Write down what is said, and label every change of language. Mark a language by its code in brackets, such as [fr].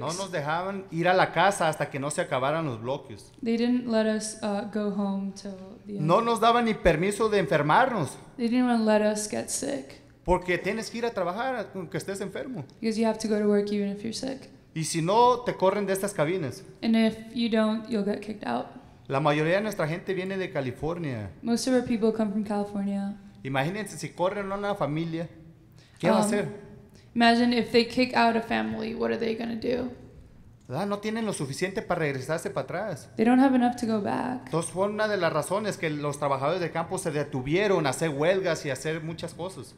[es] No nos dejaban ir a la casa hasta que no se acabaran los bloques. [en] They didn't let us go home till the end. [es] No nos daban ni permiso de enfermarnos. [en] They didn't even let us get sick. [es] Porque tienes que ir a trabajar aunque estés enfermo. [en] Because you have to go to work even if you're sick. [es] Y si no, te corren de estas cabinas. [en] And if you don't, you'll get kicked out. [es] La mayoría de nuestra gente viene de California. [en] Most of our people come from California. [es] Imagínense si corren a una familia. ¿Qué va a hacer? [en] Imagine if they kick out a family, what are they going to do? [es] No tienen lo suficiente para regresarse para atrás. [en] They don't have enough to go back. [es] Entonces fue una de las razones que los trabajadores de campo se detuvieron a hacer huelgas y a hacer muchas cosas.